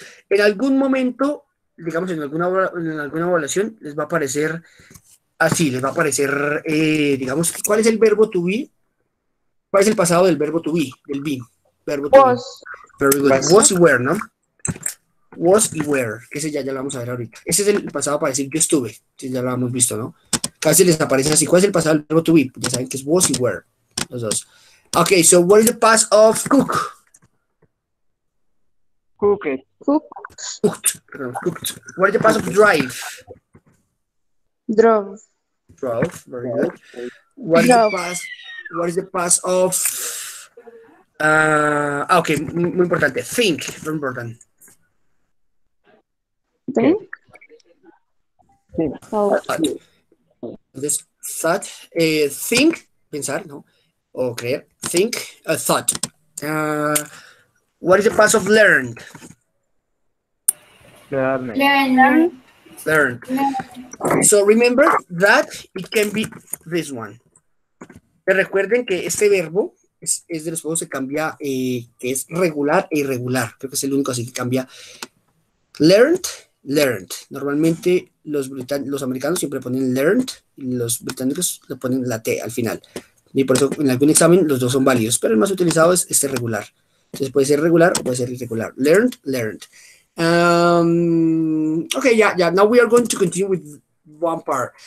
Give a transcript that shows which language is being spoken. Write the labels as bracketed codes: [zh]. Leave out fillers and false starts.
[es] En algún momento, digamos en alguna evaluación, les va a aparecer así, les va a aparecer, digamos, ¿cuál es el verbo to be? ¿Cuál es el pasado del verbo to be? Del be. Verbo to [en] was. Be. Very good. Was y were, ¿no? [es] Was y were, que ese ya lo vamos a ver ahorita. Ese es el pasado para decir yo estuve, si ya lo hemos visto, ¿no? Casi les aparece así. ¿Cuál es el pasado del verbo to be? Ya saben que es was y were, los dos. [en] Ok, so what is the past of cook? Cooked. What is the past of drive? Drove. Very good. What is the past of... okay, [es] muy importante. [en] Think, very important. Think. [es] Think, pensar, ¿no? O creer. [en] Think, a thought. What is the past of learned? Learned. So remember that it can be this one. [es] Pero recuerden que este verbo es de los verbos que cambia, que es regular e irregular. Creo que es el único así que cambia. Learned. Normalmente los americanos siempre ponen learned y los británicos le ponen la T al final. Y por eso en algún examen los dos son válidos, pero el más utilizado es este regular. Entonces puede ser regular o puede ser irregular. [en] Learned. Okay, yeah. Now we are going to continue with one part.